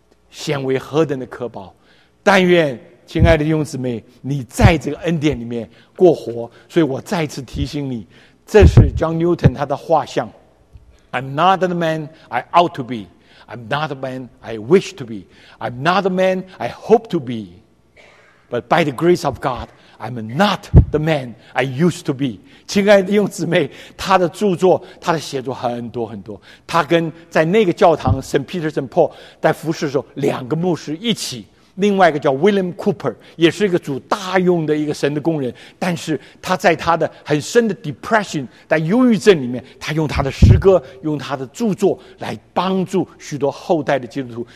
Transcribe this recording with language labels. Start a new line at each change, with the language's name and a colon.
Chinese: 显为何等的可宝但愿亲爱的弟兄姊妹你在这个恩典里面过活所以我再次提醒你这是 John Newton 他的画像
English: I'm not the man I ought to beI'm not the man I wish to be. I'm not the man I hope to be. But by the grace of God, I'm not the man I used to be.
Chinese: 亲爱的弟兄姊妹，他的著作，他的写作很多很多。他跟在那个教堂 St. Peter St. Paul 在服侍的时候，两个牧师一起，另外一个叫 William Cooper， 也是一个主大用的一个神的工人。但是他在他的很深的 depression， 在忧郁症里面，他用他的诗歌，用他的著作来帮助许多后代的基督徒。